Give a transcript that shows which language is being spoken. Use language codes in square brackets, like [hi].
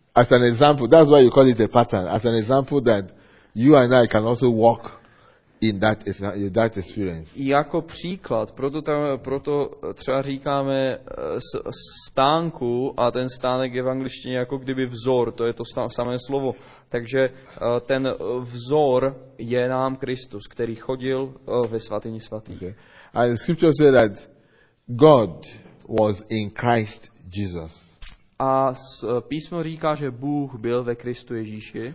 [en] As an example, that's why you call it a pattern. As an example that you and I can also walk in that experience. [cs] Jako příklad, proto třeba říkáme stánku, a ten stánek je v angličtině jako kdyby vzor, to je to samé slovo. Takže ten vzor je nám Kristus, který chodil ve svatyni svatých. [en] Okay. And scripture says that God was in Christ Jesus. [cs] A písmo říká, že Bůh byl ve Kristu Ježíši.